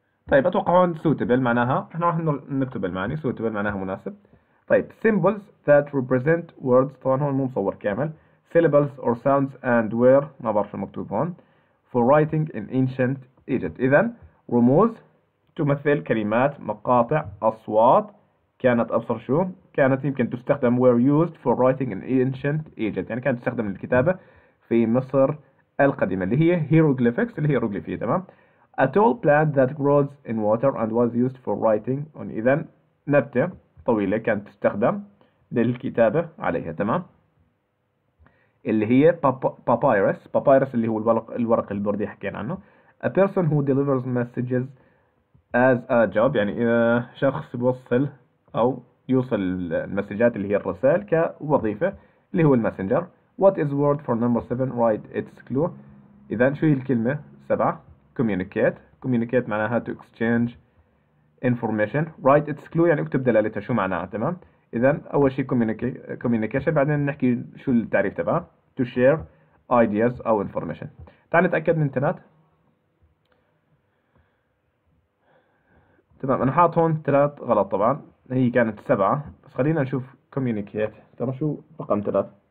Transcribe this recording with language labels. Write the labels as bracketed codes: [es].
[ar] طيب أتوقع هون suitable معناها، إحنا راح نكتب المعاني، suitable معناها مناسب. طيب [en] symbols that represent words، [ar] طبعا هون مو مصور كامل. [en] syllables or sounds and where، [ar] ما بعرف المكتوب هون. [en] for writing in ancient Egypt، [ar] إذا رموز تمثل كلمات، مقاطع، أصوات، كانت أبصر شو كانت يمكن تستخدم. [en] were used for writing in ancient Egypt، [ar] يعني كانت تستخدم للكتابة في مصر القديمة، اللي هي hieroglyphics، اللي هي هيروغليفية، تمام. [en] a tall plant that grows in water and was used for writing on، [ar] إذا نبتة طويلة كانت تستخدم للكتابة عليها، تمام، اللي هي [en] papyrus. [ar] papyrus اللي هو الورق البردي حكينا عنه. [en] a person who delivers messages as a job، [ar] يعني شخص يوصل او يوصل المسجات اللي هي الرسائل كوظيفة، اللي هو المسنجر. [en] what is word for number 7 write its clue، [ar] اذا شو هي الكلمة 7؟ [en] communicate، communicate معناها to exchange information. write its clue [ar] يعني اكتب دلالتها شو معناها، تمام. إذا أول شيء communication، بعدين نحكي شو التعريف تبعه، [en] to share ideas [ar] أو information. تعال نتأكد من الانترنت. تمام، أنا حاط هون ثلاث غلط طبعا، هي كانت سبعة، بس خلينا نشوف communicate ترى شو رقم ثلاث.